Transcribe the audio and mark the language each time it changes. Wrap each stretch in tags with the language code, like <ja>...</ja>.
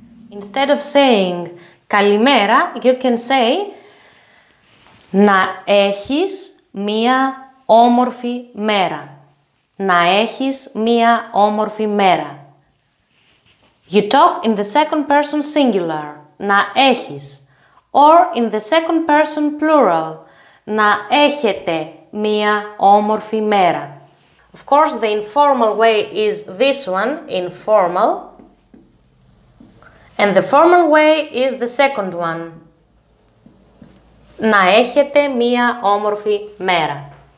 <en>Instead of saying καλημέρα, you can say</en> <el>να έχεις μία όμορφη μέρα. Να έχεις μία όμορφη μέρα.</el> <en>You talk in the second person singular,</en> <el>να έχεις.</el> <en>Or in the second person plural,</en> <el>να έχετε μία όμορφη μέρα.</el> <en>Of course, the informal way is this one, informal. And the formal way is the second one.</en> <el>Να έχετε μία όμορφη μέρα.</el>